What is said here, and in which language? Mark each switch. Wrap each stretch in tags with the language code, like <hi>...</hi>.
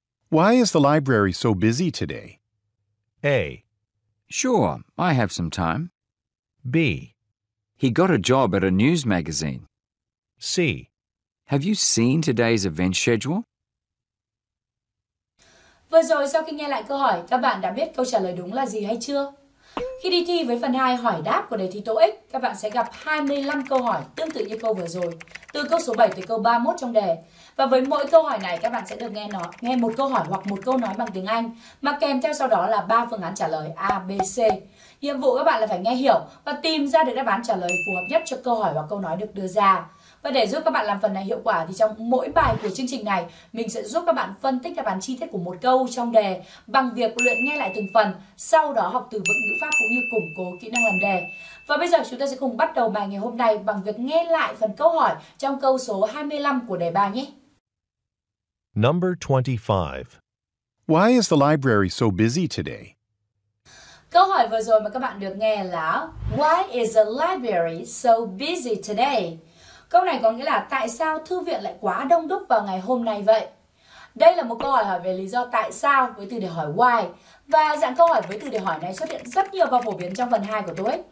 <en>Why is the library so busy today? A. Sure, I have some time. B. He got a job at a news magazine. C. Have you seen today's event schedule?</en> <vi>Vừa rồi sau khi nghe lại câu hỏi, các bạn đã biết câu trả lời đúng là gì hay chưa? Khi đi thi với phần 2 hỏi đáp của đề thi TOEIC, các bạn sẽ gặp 25 câu hỏi tương tự như câu vừa rồi, từ câu số 7 tới câu 31 trong đề. Và với mỗi câu hỏi này, các bạn sẽ được nghe một câu hỏi hoặc một câu nói bằng tiếng Anh, mà kèm theo sau đó là 3 phương án trả lời A, B, C. Nhiệm vụ các bạn là phải nghe hiểu và tìm ra được đáp án trả lời phù hợp nhất cho câu hỏi hoặc câu nói được đưa ra. Và để giúp các bạn làm phần này hiệu quả thì trong mỗi bài của chương trình này, mình sẽ giúp các bạn phân tích đáp án chi tiết của một câu trong đề bằng việc luyện nghe lại từng phần, sau đó học từ vựng ngữ pháp cũng như củng cố kỹ năng làm đề. Và bây giờ chúng ta sẽ cùng bắt đầu bài ngày hôm nay bằng việc nghe lại phần câu hỏi trong câu số 25 của đề 3 nhé.</vi> <en>Number 25. Why is the library so busy today?</en> <vi>Câu hỏi vừa rồi mà các bạn được nghe là</vi> <en>Why is the library so busy today?</en> <vi>Câu này có nghĩa là tại sao thư viện lại quá đông đúc vào ngày hôm nay vậy? Đây là một câu hỏi hỏi về lý do tại sao với từ để hỏi why. Và dạng câu hỏi với từ để hỏi này xuất hiện rất nhiều và phổ biến trong phần 2 của TOEIC.</vi>